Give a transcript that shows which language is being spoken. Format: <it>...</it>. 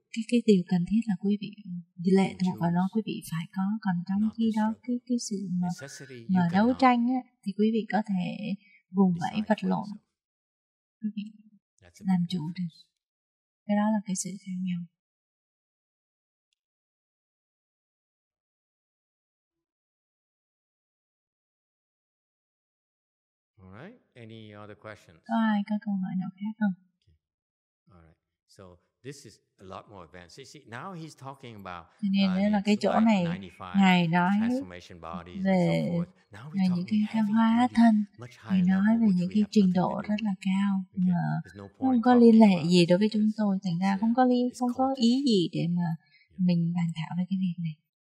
<vi>cái điều cần thiết là quý vị lệ thuộc vào nó, quý vị phải có, còn trong khi đó cái sự mà đấu tranh á thì quý vị có thể vùng vẫy vật lộn, quý vị làm chủ được. Cái đó là cái sự khác nhau.</vi> <en>Alright, any other questions?</en> <vi>Có ai có câu hỏi nào khác không?</vi> <en>Alright, so this is a lot more advanced. You see, now he's talking about</en> <vi>là cái chỗ này, ngài nói về những cái hóa thân, ngài nói về những cái trình độ rất là cao, không có liên hệ gì đối với chúng tôi, thành ra không có ý gì để mà mình bàn thảo về cái việc này.</vi>